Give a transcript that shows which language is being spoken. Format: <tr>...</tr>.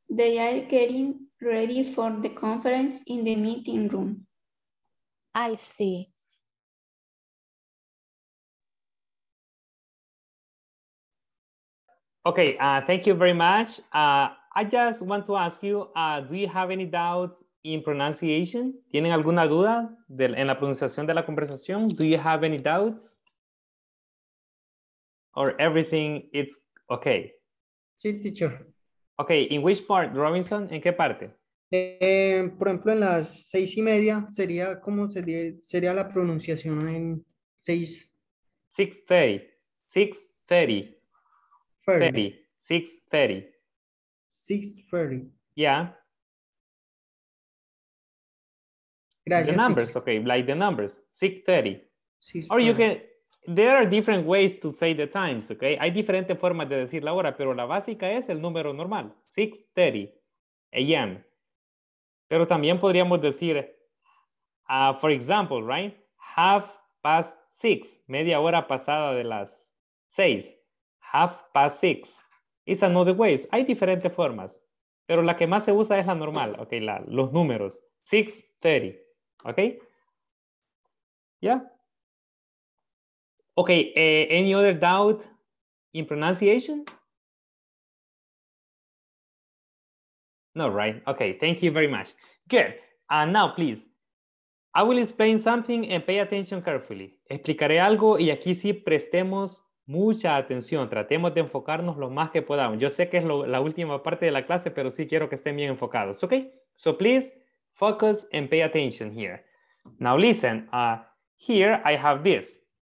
<en>They are getting ready for the conference in the meeting room. I see. Okay, thank you very much. I just want to ask you, do you have any doubts in pronunciation?</en> <es>¿Tienen alguna duda en la pronunciación de la conversación?</es> <en>Do you have any doubts? Or everything, it's okay?</en> <es>Sí, teacher.</es> <en>Okay, in which part, Robinson?</en> <es>¿En qué parte? Por ejemplo, en las 6:30, sería como sería la pronunciación en 6.</es> <en>6:30. 6:30. 30. 6:30. 6:30. Yeah.</en> <es>Gracias,</es> <en>the numbers, teacher. Okay, like the numbers, 6:30. Or you can, there are different ways to say the times, okay?</en> <es>Hay diferentes formas de decir la hora, pero la básica es el número normal, 6:30 a.m. Pero también podríamos decir,</es> <en>for example, right?</en> <es>6:30, media hora pasada de las 6.</es> <en>6:30. It's another way.</en> <es>Hay diferentes formas. Pero la que más se usa es la normal. Ok, los números. 6:30. Ok. Yeah.</es> <en>Ok, any other doubt in pronunciation? No, right? Ok, thank you very much. Good. And now, please. I will explain something and pay attention carefully.</en> <es>Explicaré algo y aquí sí prestemos mucha atención, tratemos de enfocarnos lo más que podamos. Yo sé que es la última parte de la clase, pero sí quiero que estén bien enfocados, ¿ok?</es> <en>So please, focus and pay attention here. Now listen, here I have this.</en>